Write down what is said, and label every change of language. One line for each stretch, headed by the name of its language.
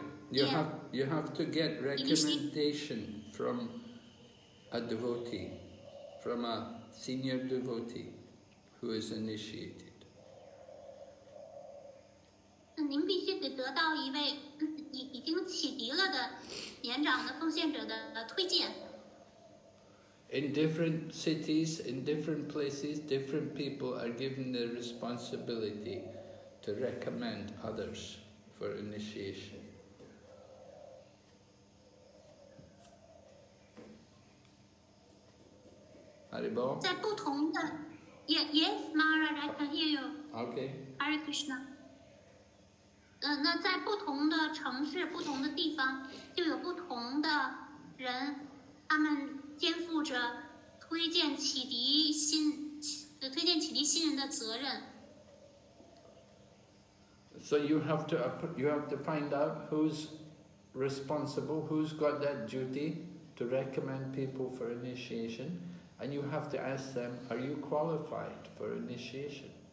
English: You have to get recommendation from a devotee, from a senior devotee who is initiated.
Chinese: 您必须得到一位已经启迪了的年长的奉献者的推荐。
English: In different cities, in different places, different people are given the responsibility to recommend others for initiation.
Chinese: 在不同的
English: ，Yes, Maharaj, I can hear you. Okay. Hare Krishna.
Chinese: 那在不同的城市、不同的地方，就有不同的人，他们肩负着推荐启迪新人的责任。
English: So you have to find out who's responsible, who's got that duty to recommend people for initiation. And you have to ask them, are you qualified for initiation?